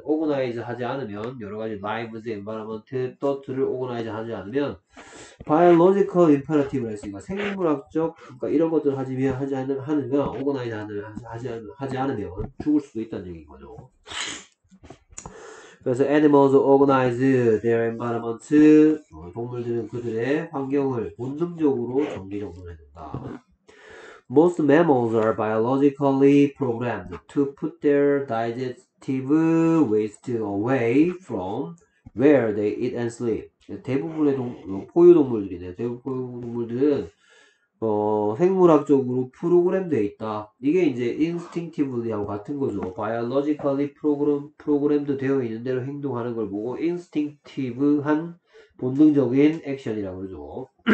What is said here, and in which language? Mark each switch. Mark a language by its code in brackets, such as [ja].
[ko] organize 하지 않으면 여러 가지 lives, environment, thought를 organize 하지 않으면 biological imperative라 했으니까 생물학적 그러니까 이런 것들을 하지 않으면 organize 하지 않으면 죽을 수도 있다는 얘기인 거죠. [en] 그래서 animals organize their environment. [ko] 동물들은 그들의 환경을 본능적으로 정리정돈해야 된다. [en] Most mammals are biologically programmed to put their digestive waste away from where they eat and sleep. [ko] 대부분의 포유동물들이네. 대부분의 포유동물들은 생물학적으로 프로그램되어 있다. 이게 이제 instinctively하고 같은 거죠. [en] Biologically programmed [ko] 되어 있는 대로 행동하는 걸 보고 instinctive한 본능적인 액션이라고 그러죠.